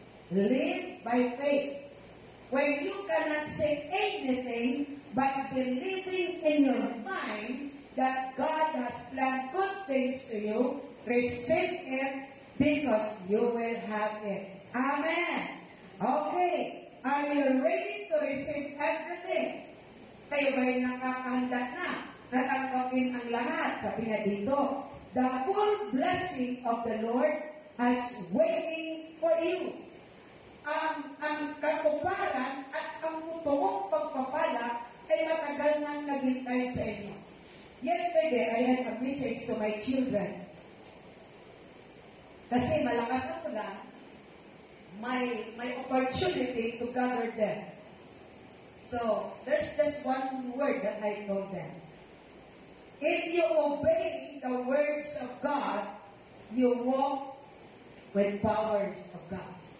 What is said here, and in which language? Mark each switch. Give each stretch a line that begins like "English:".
English: Live by faith. When you cannot say anything by believing in your mind that God has planned good things to you, receive it because you will have it. Amen. Okay. Are you ready to receive everything?
Filipino: Kayo ba'y nakakanda na? Natanggapin ang lahat. Sabi niya dito,
English: the whole blessing of the Lord is waiting for you.
Filipino: Ang katuparan at ang totoong pagpapala ay matagal nang naghintay sa inyo.
English: Yesterday, I had a message to my children.
Filipino: Kasi malakas ako na may
English: opportunity to gather them. So, there's just one word that I told them. If you obey the words of God, you walk with powers of God.